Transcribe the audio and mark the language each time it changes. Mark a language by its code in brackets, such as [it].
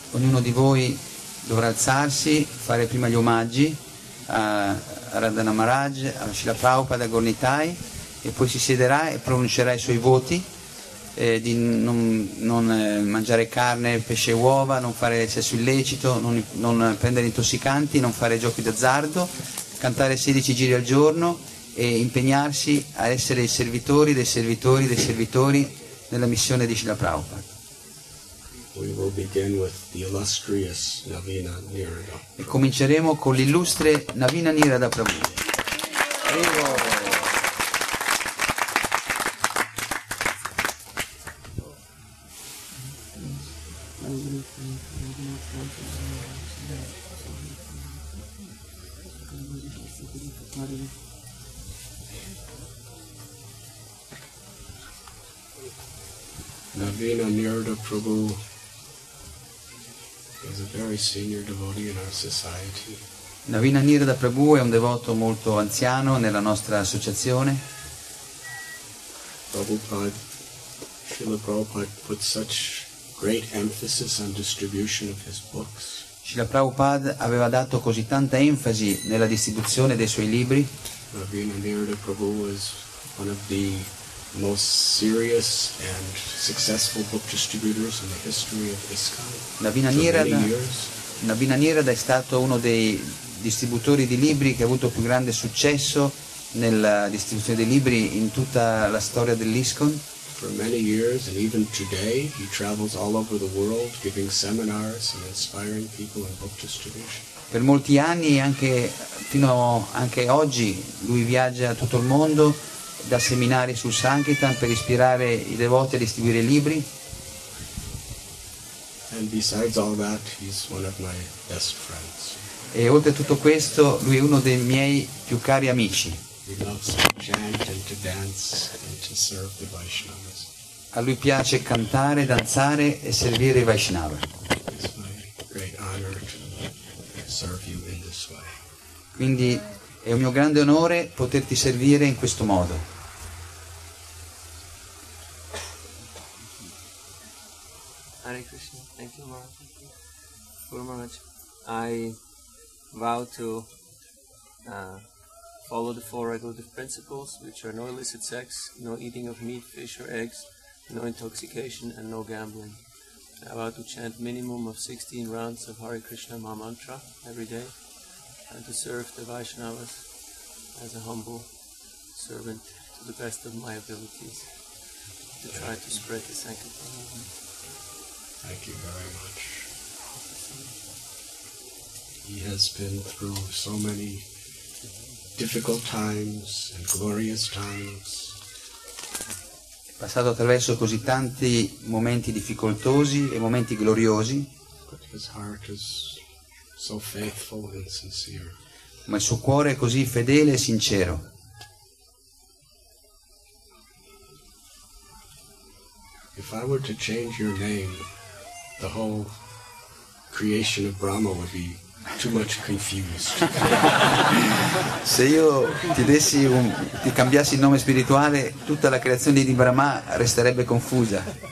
[it] Ognuno di voi dovrà alzarsi, fare prima gli omaggi a Radhana Maharaj, a Srila Prabhupada, a Gornitai, e poi si siederà e pronuncerà i suoi voti di non mangiare carne, pesce e uova, non fare sesso illecito, non prendere intossicanti, non fare giochi d'azzardo, cantare 16 giri al giorno e impegnarsi a essere i servitori dei servitori dei servitori nella missione di Srila Prabhupada. [en] We will begin with the illustrious Navina Nirada. [it] E cominceremo con l'illustre Navina Nirada Prabhu. [en] Navina Nirada Prabhu is a very senior devotee in our society. [it] Navina Nirada Prabhu è un devoto molto anziano nella nostra associazione. [en] Prabhupada put such great emphasis on distribution of his books. [it] Srila Prabhupada aveva dato così tanta enfasi nella distribuzione dei suoi libri. [en] Navina Nirada Prabhu was one of the most serious and successful book distributors in the history of ISKCON. [it] Navina Nirada è stato uno dei distributori di libri che ha avuto più grande successo nella distribuzione dei libri in tutta la storia dell'ISKCON. [en] For many years and even today he travels all over the world giving seminars and inspiring people in book distribution. [it] Per molti anni anche fino anche oggi lui viaggia tutto il mondo da seminari sul Sankirtan per ispirare i devoti a distribuire libri. [en] And besides all that, he's one of my best friends. [it] E oltre a tutto questo, lui è uno dei miei più cari amici. [en] He loves to chant and to dance and to serve the Vaishnavas. [it] A lui piace cantare, danzare e servire i Vaishnava. [en] It's my great honor to serve you in this way. [it] Quindi è un mio grande onore poterti servire in questo modo. [en] Hare Krishna, thank you Maharaj. Guru Maharaj, I vow to follow the four regulative principles, which are no illicit sex, no eating of meat, fish or eggs, no intoxication and no gambling. I vow to chant minimum of 16 rounds of Hare Krishna Maha Mantra every day, and to serve the Vaishnavas as a humble servant to the best of my abilities, to try to spread the sankirtan movement. Thank you very much. He has been through so many difficult times and glorious times. [it] È passato attraverso così tanti momenti difficoltosi e momenti gloriosi. [en] But his heart is so faithful and sincere. [it] ma il suo cuore è così fedele e sincero. [en] If I were to change your name, the whole creation of Brahma would be too much confused. [it] Se io ti cambiassi il nome spirituale, tutta la creazione di Brahma resterebbe confusa.